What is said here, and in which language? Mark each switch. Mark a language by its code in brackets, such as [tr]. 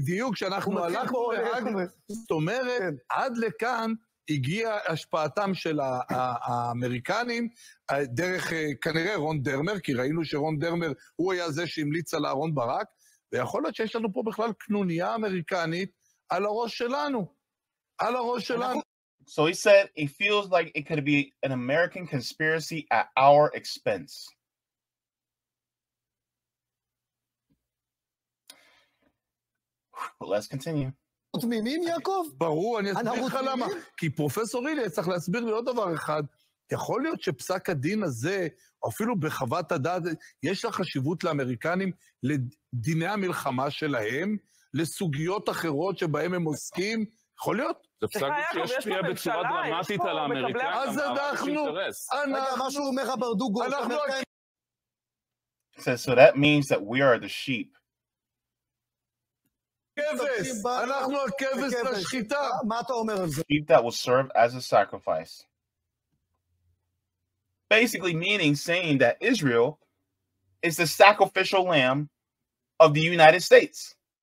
[he] בדיוק, שאנחנו הלכנו להאג, זאת אומרת, עד לכאן הגיעה השפעתם של האמריקנים, דרך כנראה רון דרמר, כי ראינו שרון דרמר הוא היה זה שהמליץ על אהרון ברק, ויכול להיות שיש לנו פה בכלל קנוניה אמריקנית על הראש שלנו. על הראש שלנו. [en] So he said, it feels like it could be an American conspiracy at our expense. But let's continue. [he] תמימים, יעקב? ברור, אני אסביר לך למה. כי פרופסור אילי, צריך להסביר לי עוד דבר אחד. יכול להיות שפסק הדין הזה, אפילו בחוות הדעת, יש לה חשיבות לאמריקנים לדיני המלחמה שלהם, לסוגיות אחרות שבהם הם עוסקים? יכול להיות? זה פסק דין שישפיע בצורה דרמטית על האמריקנים. אז אנחנו, משהו אומר הברדוגו, אנחנו... [en] So that means that we are the sheep. Sheep that will serve as a sacrifice. Basically meaning saying that Israel is the sacrificial lamb of the United States.